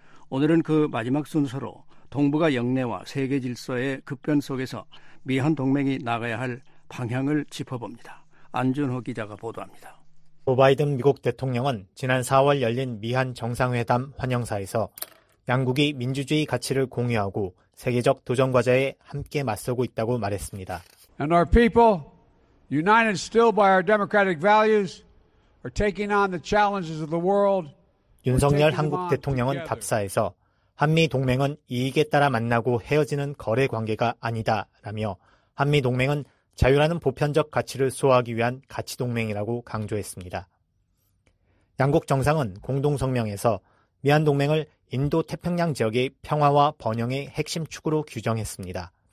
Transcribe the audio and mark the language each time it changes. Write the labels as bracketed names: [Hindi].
[Korean] 오늘은 그 마지막 순서로 동북아 역내와 세계 질서의 급변 속에서 미한 동맹이 나가야 할 방향을 짚어봅니다. 안준호 기자가 보도합니다. 조 바이든 미국 대통령은 지난 4월 열린 미한 정상회담 환영사에서 양국이 민주주의 가치를 공유하고 세계적 도전과제에 함께 맞서고 있다고 말했습니다. [English] And our people, united still by our democratic values, are taking on the challenges of the world. [Korean] 윤석열 한국 대통령은 답사에서 한미 동맹은 이익에 따라 만나고 헤어지는 거래 관계가 아니다라며 한미 동맹은 자유라는 보편적 가치를 수호하기 위한 가치 동맹이라고 강조했습니다. 양국 정상은 공동 성명에서 미한 동맹을 인도 태평양 지역의 평화와 번영의 핵심 축으로 규정했습니다.